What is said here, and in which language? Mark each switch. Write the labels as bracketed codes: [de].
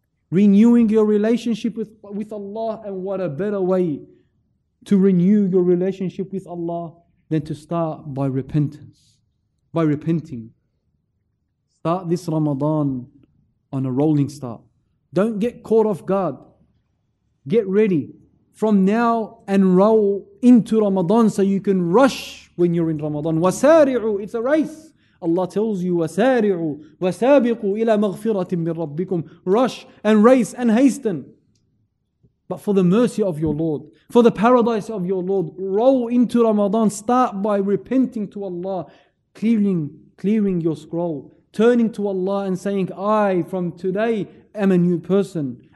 [en] Renewing your relationship with Allah. And what a better way to renew your relationship with Allah than to start by repentance, by repenting. Start this Ramadan on a rolling start. Don't get caught off guard. Get ready from now and roll into Ramadan so you can rush when you're in Ramadan. وَسَارِعُوا, it's a race. Allah tells you, [ar] وَسَارِعُوا وَسَابِقُوا إِلَى مَغْفِرَةٍ مِّن رَبِّكُمْ. [en] Rush and race and hasten. But for the mercy of your Lord, for the paradise of your Lord, roll into Ramadan. Start by repenting to Allah, clearing your scroll, turning to Allah and saying, I from today am a new person.